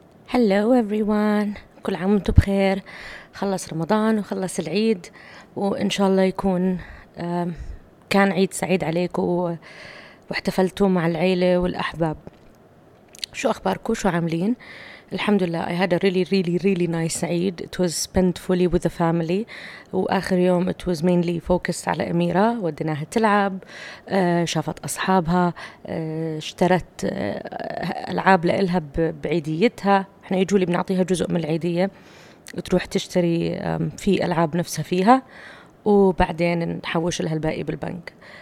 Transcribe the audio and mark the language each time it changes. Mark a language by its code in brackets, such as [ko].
[en] Hello everyone, [ar] كل عام وانتم بخير. خلص رمضان وخلص العيد وان شاء الله يكون كان عيد سعيد عليكم واحتفلتوا مع العيلة والأحباب. شو أخباركم؟ شو عاملين؟ الحمد لله [en] I had a really really really nice [ar] عيد. [en] It was spent fully with the family [ar] وآخر يوم [en] it was mainly focused على أميرة. [ar] وديناها تلعب, شافت أصحابها, اشترت ألعاب لإلها بعيديتها. احنا يجولي بنعطيها جزء من العيدية تروح تشتري في ألعاب نفسها فيها وبعدين نحوش لها الباقي بالبنك.